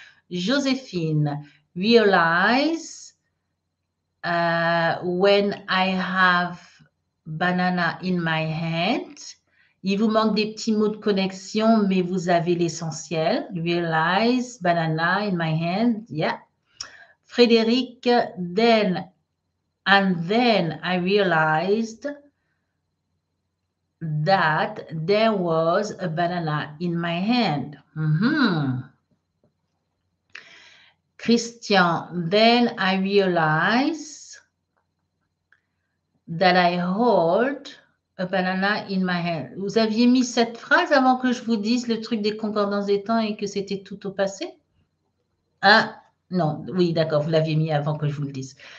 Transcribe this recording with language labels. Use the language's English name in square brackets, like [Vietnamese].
[English] Joséphine, realize when I have banana in my hand. [French] Il vous manque des petits mots de connexion, mais vous avez l'essentiel. [English] Realize, banana in my hand, yeah. Frédéric, then, and then I realized that there was a banana in my hand. Mm-hmm. Christian, then I realize that I hold a banana in my hand. [French] Vous aviez mis cette phrase avant que je vous dise le truc des concordances des temps et que c'était tout au passé? Ah, non, oui, d'accord, vous l'aviez mis avant que je vous le dise.